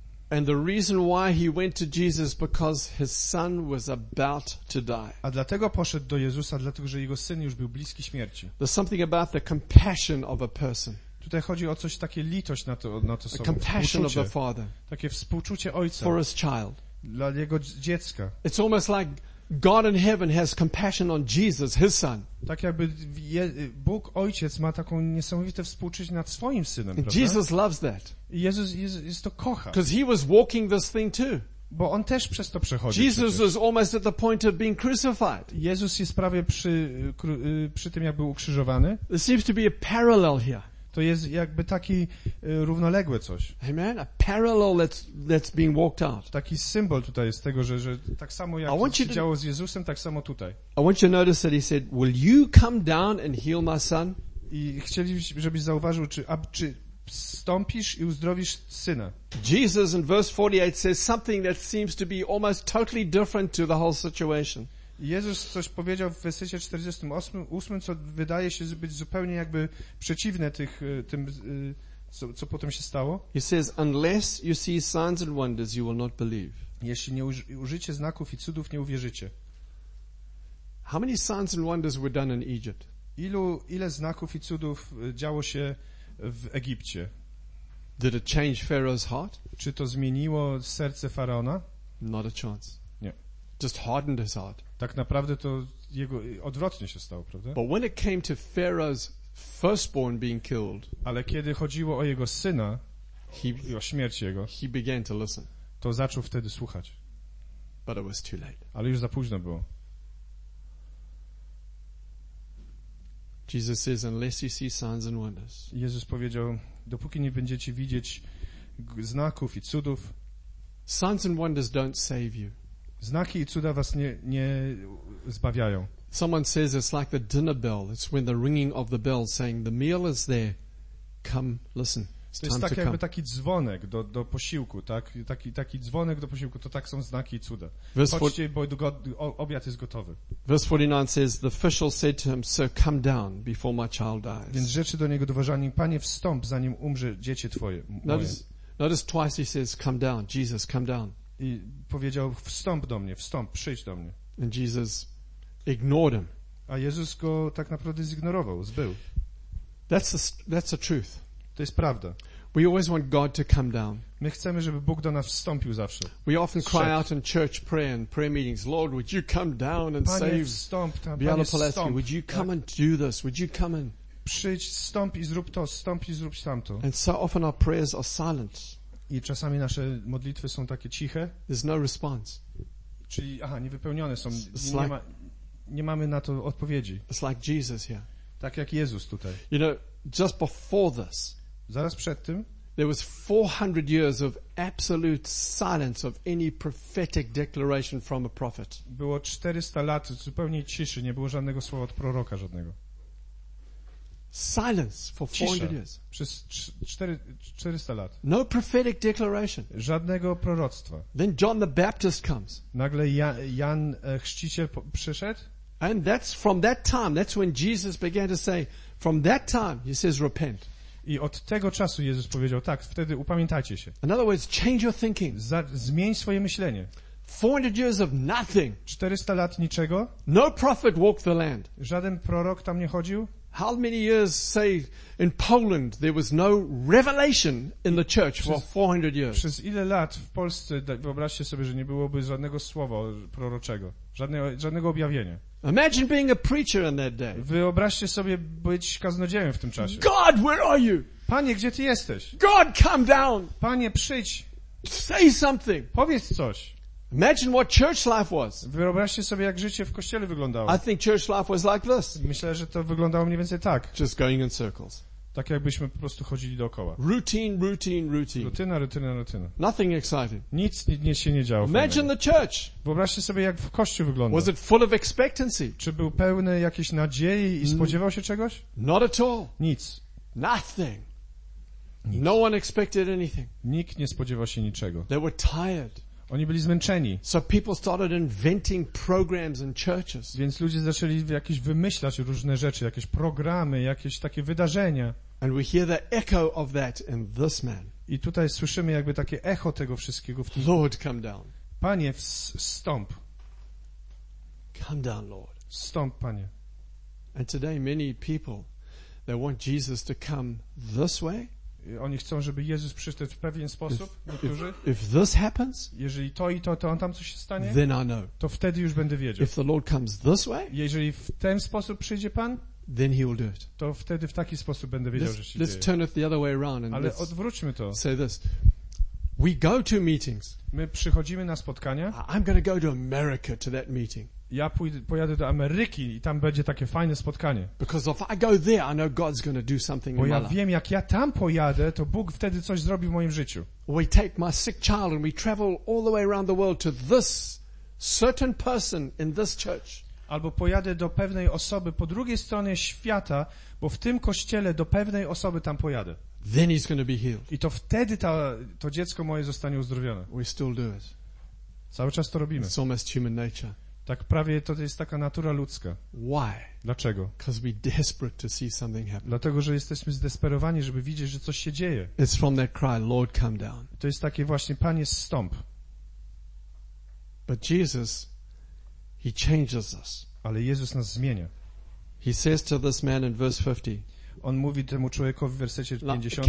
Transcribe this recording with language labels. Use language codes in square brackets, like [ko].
[en] And the reason why he went to Jesus because his son was about to die. [pl] A dlatego poszedł do Jezusa, dlatego że jego syn już był bliski śmierci. [en] There's something about the compassion of a person. [pl] Tutaj chodzi o coś takie litość na to samo. [en] Compassion of the father. [pl] Takie współczucie ojca. [en] For his child. [pl] Dla jego dziecka. [en] It's almost like God in heaven has compassion on Jesus, his son. [pl] Tak jakby Bóg Ojciec ma taką niesamowite współczucie nad swoim synem, prawda? [en] Jesus loves that. [pl] Jezus to kocha. [en] Because he was walking this thing too. [pl] Bo on też przez to przechodzi. [en] Jesus was almost at the point of being crucified. [pl] Jezus jest prawie przy tym, jak był ukrzyżowany. [en] There seems to be a parallel here. [pl] To jest jakby taki równoległe coś. [en] Amen. A parallel that's being walked out. [pl] Taki symbol tutaj jest tego, że tak samo jak to się działo z Jezusem, tak samo tutaj. [en] I want you to notice that he said, "Will you come down and heal my son?" [pl] I chcielibyśmy, żebyś zauważył, czy wstąpisz i uzdrowisz syna. [en] Jesus in verse 48 says something that seems to be almost totally different to the whole situation. [pl] Jezus coś powiedział w wersecie 48, co wydaje się być zupełnie jakby przeciwne tym, co potem się stało. [en] He says, unless you see signs and wonders, you will not believe. [pl] Jeśli nie użycie znaków i cudów, nie uwierzycie. [en] How many signs and wonders were done in Egypt? [pl] Ile znaków i cudów działo się w Egipcie? [en] Did it change Pharaoh's heart? [pl] Czy to zmieniło serce faraona? [en] Not a chance. [pl] Nie. [en] Just hardened his heart. [pl] Tak naprawdę to jego odwrotnie się stało, prawda? [en] But when it came to Pharaoh's firstborn being killed, [pl] ale kiedy chodziło o jego syna, i o śmierć jego, [en] he began to listen. [pl] To zaczął wtedy słuchać. [en] But it was too late. [pl] Ale już za późno było. [en] Jesus says, unless you see signs and wonders. [pl] Jezus powiedział, dopóki nie będziecie widzieć znaków i cudów, [en] signs and wonders don't save you. [pl] Znaki i cuda was nie zbawiają. [en] Someone says it's like the dinner bell. It's when the ringing of the bell saying the meal is there. Come, listen. It's [pl] to jest tak to jakby [en] come. [pl] Taki dzwonek do posiłku, tak? Taki dzwonek do posiłku, to tak są znaki i cuda. Chodźcie, bo obiad jest gotowy. [en] Verse 49 says the official said to him, "Sir, come down before my child dies." [pl] Więc rzeczy do niego dowożani, panie, wstąp, zanim umrze dziecię twoje. [en] Notice twice he says, "Come down, Jesus, come down." [pl] I powiedział, wstąp do mnie, wstąp, przyjdź do mnie. [en] And Jesus ignored him. [pl] A Jezus go tak naprawdę zignorował, zbył. [en] That's the truth. [pl] To jest prawda. [en] We always want God to come down. [pl] My chcemy, żeby Bóg do nas wstąpił zawsze. [en] We often cry out in church prayer and prayer meetings, Lord, would you come down and save [pl] Bielopolski? [en] Would you come and do this? Would you come and [pl] przyjdź, wstąp i zrób to, wstąp i zrób tamto. [en] And so often our prayers are silent. [pl] I czasami nasze modlitwy są takie ciche. [en] There's no response. [pl] Czyli, niewypełnione są. Nie mamy na to odpowiedzi. [en] It's like Jesus here. [pl] Tak jak Jezus tutaj. [en] You know, just before this. [pl] Zaraz przed tym. [en] There was 400 years of absolute silence of any prophetic declaration from a prophet. [pl] Było 400 lat zupełnie ciszy, nie było żadnego słowa od proroka żadnego. [en] Silence for 400 years. [pl] Przez 400 lat. [en] No prophetic declaration. [pl] Żadnego proroctwa. [en] Then John the Baptist comes. [pl] Nagle Jan Chrzciciel przyszedł. [en] And that's from that time. That's when Jesus began to say, from that time, he says, repent. [pl] I od tego czasu Jezus powiedział, tak, wtedy upamiętajcie się. [en] In other words, change your thinking. [pl] Zmień swoje myślenie. [en] 400 years of nothing. [pl] 400 lat niczego. [en] No prophet walked the land. [pl] Żaden prorok tam nie chodził. [en] How many years say in Poland there was no revelation in the church for 400 years? [pl] Przez ile lat w Polsce, wyobraźcie sobie, że nie byłoby żadnego słowa proroczego, żadnego objawienia. [en] Imagine being a preacher in that day. [pl] Wyobraźcie sobie być kaznodzieją w tym czasie. [en] God, where are you? [pl] Panie, gdzie ty jesteś? [en] God, come down. [pl] Panie, przyjdź. [en] Say something. [pl] Powiedz coś. [en] Imagine what church life was. [pl] Wyobraźcie sobie, jak życie w kościele wyglądało. [en] I think church life was like this. [pl] Myślę, że to wyglądało mniej więcej tak. [en] Just going in circles. [pl] Tak jakbyśmy po prostu chodzili dookoła. [en] Routine, routine, routine. [pl] Rutyna, rutyna, rutyna. [en] Nothing exciting. [pl] Nic nie się nie działo. [en] Imagine the church. [pl] Wyobraźcie sobie, jak w kościele wyglądało. [en] Was it full of expectancy? [pl] Czy był pełny jakiejś nadziei i spodziewał się czegoś? [en] Not at all. [pl] Nic. [en] Nothing. [pl] Nic. [en] No one expected anything. [pl] Nikt nie spodziewał się niczego. [en] They were tired. [pl] Oni byli zmęczeni. [en] So people started inventing programs in churches. [pl] Więc ludzie zaczęli jakieś wymyślać różne rzeczy, jakieś programy, jakieś takie wydarzenia. [en] And we hear the echo of that in this man. [pl] I tutaj słyszymy jakby takie echo tego wszystkiego w tym. [en] Lord, come down. [pl] Panie, stąp. [en] Come down, Lord. [pl] Stąp, Panie. [en] And today many people they want Jesus to come this way. [pl] Oni chcą, żeby Jezus przyszedł w pewien sposób, niektórzy. [en] If this happens, [pl] jeżeli to i to, to on tam coś się stanie, [en] then I know. [pl] To wtedy już będę wiedział. [en] If the Lord comes this way, [pl] jeżeli w ten sposób przyjdzie Pan, [en] then he will do it. [pl] To wtedy w taki sposób będę wiedział, [en] let's, [pl] że się [en] let's [pl] dzieje. [en] Turn it the other way around and [pl] ale [en] let's [pl] odwróćmy to. [en] Say this. We go to meetings. [pl] My przychodzimy na spotkania. [en] I'm gonna go to America to that meeting. [pl] Ja pojadę do Ameryki i tam będzie takie fajne spotkanie. [en] Because if I go there, I know God's gonna do something in my life. [pl] Bo ja wiem, jak ja tam pojadę, to Bóg wtedy coś zrobi w moim życiu. [en] We take my sick child and we travel all the way around the world to this certain person in this church. [pl] Albo pojadę do pewnej osoby po drugiej stronie świata, bo w tym kościele do pewnej osoby tam pojadę. [en] Then he's gonna be healed. [pl] I to wtedy to dziecko moje zostanie uzdrowione. [en] We still do it. [pl] Cały czas to robimy. [en] It's almost human nature. [pl] Tak prawie to jest taka natura ludzka. [en] Why? [pl] Dlaczego? [en] Because we're desperate to see something happen. [pl] Dlatego, że jesteśmy zdesperowani, żeby widzieć, że coś się dzieje. [en] It's from that cry, Lord, come down. [pl] To jest takie właśnie, Panie, stąp. [en] But Jesus, he changes us. [pl] Ale Jezus nas zmienia. [en] He says to this man in verse 50. [pl] On mówi temu człowiekowi w wersecie 50.